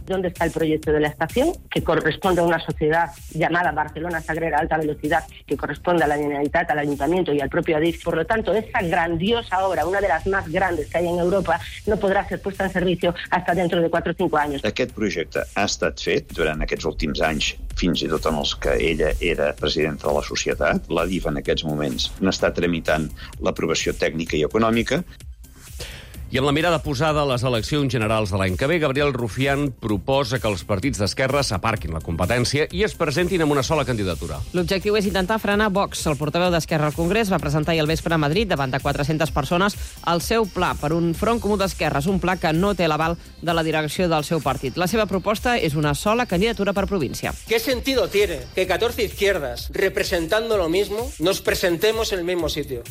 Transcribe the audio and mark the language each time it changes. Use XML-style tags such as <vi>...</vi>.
<es>¿Dónde está el proyecto de la estación? Que corresponde a una sociedad llamada Barcelona Sagrera Alta Velocidad, que corresponde a la Generalitat, al Ayuntamiento y al propio Adif. Por lo tanto, esa grandiosa obra, una de las más grandes que hay en Europa, no podrá ser puesta en servicio hasta dentro de 4 o 5 años.</es> <ca>Aquest projecte ha estat fet durant aquests últims anys, fins i tot en els que ella era presidenta de la societat. L'Adif en aquests moments n'està tramitant l'aprovació tècnica i econòmica. I amb la mirada posada a les eleccions generals de l'any que ve, Gabriel Rufián proposa que els partits d'esquerra s'aparquin la competència i es presentin amb una sola candidatura. L'objectiu és intentar frenar Vox. El portaveu d'Esquerra al Congrés va presentar ahir al vespre a Madrid, davant de 400 persones, el seu pla per un front comú d'esquerres, un pla que no té l'aval de la direcció del seu partit. La seva proposta és una sola candidatura per província.</ca> <es>¿Qué sentido tiene que 14 izquierdas, representando lo mismo, nos presentemos en el mismo sitio?</es>